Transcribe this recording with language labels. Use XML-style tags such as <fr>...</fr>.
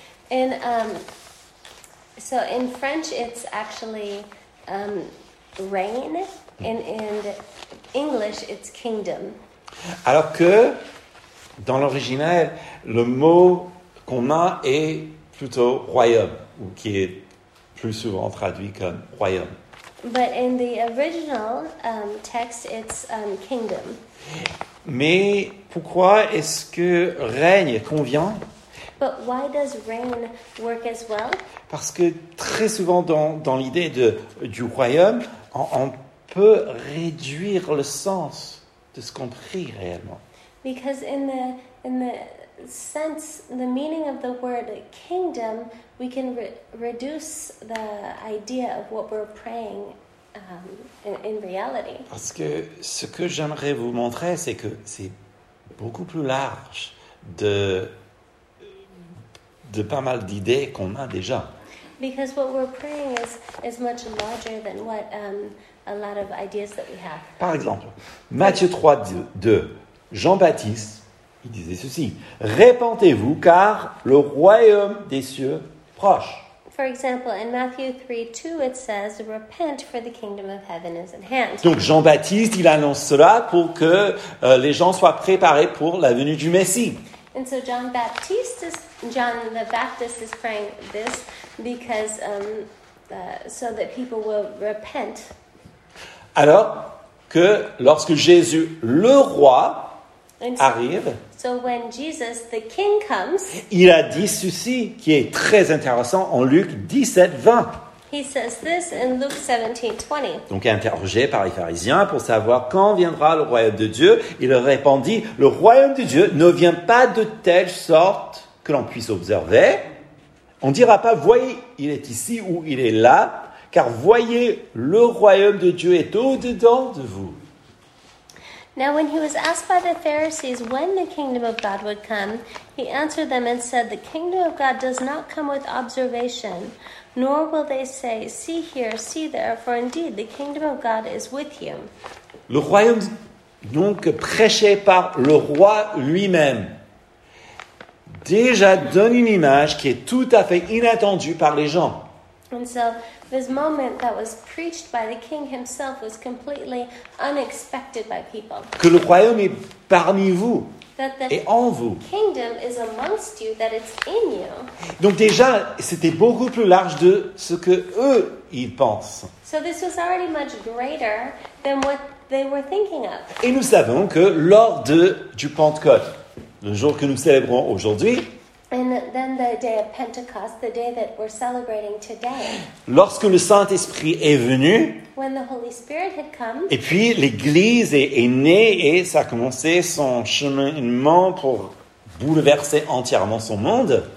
<en>And so in French, it's actually reign, and in English, it's kingdom.</en> <fr>Alors que dans l'original, le mot qu'on a est plutôt royaume, ou qui est plus souvent traduit comme royaume.</fr> <en>But in the original text, it's kingdom.</en> <fr>Mais pourquoi est-ce que règne convient?</fr> <en>But why does reign work as well?</en> <fr>Parce que très souvent dans l'idée de du royaume, on peut réduire le sens de ce qu'on prie réellement.</fr> <en>Because in the sense, the meaning of the word kingdom, we can reduce the idea of what we're praying in reality.</en> <fr>Parce que ce que j'aimerais vous montrer, c'est que c'est beaucoup plus large de pas mal d'idées qu'on a déjà.</fr> <en>Because what we're praying is much larger than what a lot of ideas that we have.</en> <fr>Par exemple, Matthieu 3, 2, Jean-Baptiste, il disait ceci, répentez-vous car le royaume des cieux proche.</fr> <en>For example, in Matthew 3, 2, it says, repent for the kingdom of heaven is at hand.</en> <fr>Donc Jean-Baptiste, il annonce cela pour que les gens soient préparés pour la venue du Messie.</fr> <en>And so John the Baptist is praying this because so that people will repent.</en> <fr>Alors que lorsque Jésus, le roi, arrive.</fr> <en>So when Jesus, the king, comes,</en> <fr>il a dit ceci qui est très intéressant en Luc 17, 20.</fr> <en>He says this in Luke 17, 20.</en> <fr>Donc interrogé par les pharisiens pour savoir quand viendra le royaume de Dieu, il répondit, le royaume de Dieu ne vient pas de telle sorte que l'on puisse observer. On ne dira pas, voyez, il est ici ou il est là, car voyez, le royaume de Dieu est au-dedans de vous.</fr> <en>Now when he was asked by the Pharisees when the kingdom of God would come, he answered them and said, the kingdom of God does not come with observation, nor will they say, see here, see there, for indeed the kingdom of God is with you.</en> <fr>Le royaume donc prêché par le roi lui-même déjà donne une image qui est tout à fait inattendue par les gens.</fr> <en>And so this moment that was preached by the king himself was completely unexpected by people.</en> <fr>Que le royaume est parmi vous et en vous.</fr> <en>The kingdom is amongst you, that it's in you.</en> <fr>Donc déjà, c'était beaucoup plus large de ce que eux ils pensent.</fr> <en>So this was already much greater than what they were thinking of.</en> <fr>Et nous savons que lors du Pentecôte, le jour que nous célébrons aujourd'hui,</fr> <en>and then the day of Pentecost, the day that we're celebrating today.</en> <fr>Lorsque le Saint-Esprit est venu.</fr> <en>When the Holy Spirit had come.</en> <fr>Et puis l'Église est née et ça a commencé son cheminement pour bouleverser entièrement son monde.</fr>